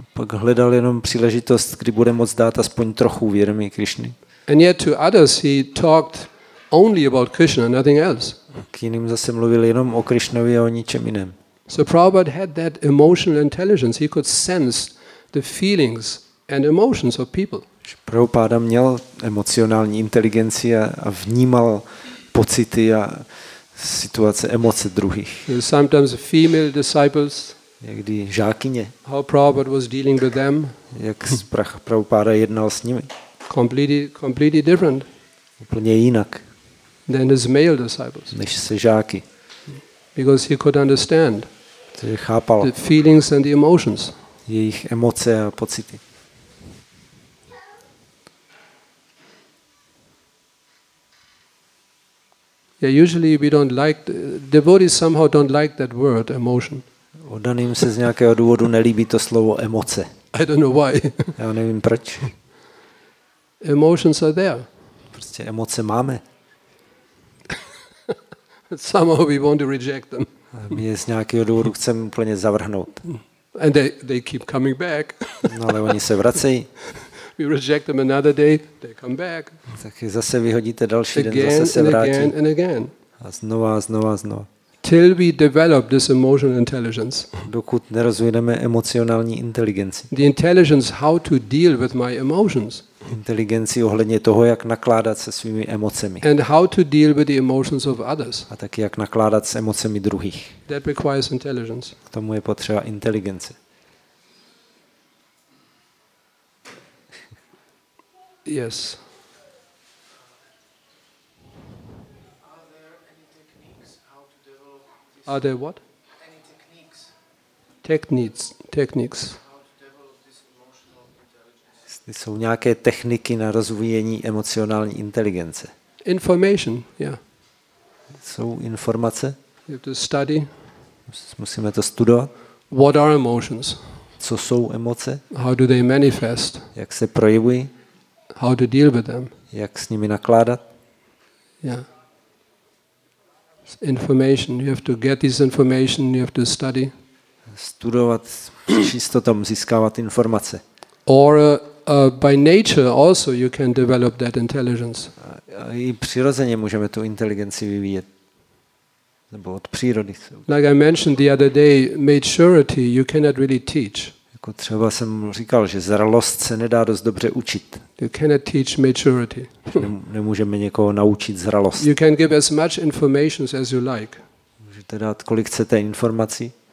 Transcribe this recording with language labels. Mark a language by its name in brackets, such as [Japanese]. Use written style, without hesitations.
[Czech] A pak hledal jenom příležitost, kdy bude moc dát aspoň trochu vědomí Krishny. [English] And yet to others he talked only about Krishna, nothing else. [Czech] K jiným zase mluvil jenom o Krishnovi a o ničem jiném. [English] So Prabhupada had that emotional intelligence. He could sense the feelings and emotions of people. [Czech] Prabhupada měl emocionální inteligenci a vnímal pocity a situace, emoce druhých. [English] Sometimes female disciples. [Czech] Někdy žákyně. [English] How Prabhupada was dealing with them. [Czech] Jak Prabhupada jednal s nimi. [English] Completely different. [Czech] Úplně jinak. [English] Than his male disciples. [Czech] Než se žáky. [English] Because he could understand the feelings and the emotions. [Czech] Jejich emoce a pocity. [English] Yeah, usually we don't like devotees somehow don't like that word emotion. [Czech] Oddaným se z nějakého důvodu nelíbí to slovo emoce. [English] I don't know why. [Czech] Já nevím proč. [English] Emotions are there. [Czech] Prostě emoce máme. [English] Somehow we want to reject them. [Czech] My je z nějakého důvodu chceme úplně zavrhnout. [English] And they keep coming back. [Czech] No, ale oni se vracejí. [English] We reject them another day, they come back. [Czech] Tak je zase vyhodíte další den, zase se vrátí. [English] Again and again. [Czech] A znova, znova, znova. [English] Till we develop this emotional intelligence. [Czech] Dokud nerozvineme emocionální inteligenci. [English] The intelligence how to deal with my emotions. [Czech] Inteligenci ohledně toho, jak nakládat se svými emocemi. [English] And how to deal with the emotions of others. [Czech] A taky jak nakládat s emocemi druhých. [English] That requires intelligence. [Czech] K tomu je potřeba inteligence. [English] Yes. Are there what? Techniques. [Czech] Jsou nějaké techniky na rozvíjení emocionální inteligence. [English] Information, yeah. [Czech] Jsou informace. [English] You have to study. [Czech] Musíme to studovat. [English] What are emotions? [Czech] Co jsou emoce? [English] How do they manifest? [Czech] Jak se projevují? [English] How to deal with them? [Czech] Jak s nimi nakládat? [English] Yeah. Information, you have to get this information, you have to study. [Czech] Studovat, přičistotom získávat informace. Or by nature also you can develop that intelligence. I přirozeně můžeme tu inteligenci vyvíjet. Nebo od přírody. [English] Like I mentioned the other day, maturity you cannot really teach. [Czech] Jako třeba jsem říkal, že zralost se nedá dost dobře učit. [English] You cannot teach maturity. [Czech] Nemůžeme někoho naučit zralost. [English] You can give as much information as you like. [Czech] Můžete dát kolik chcete informací.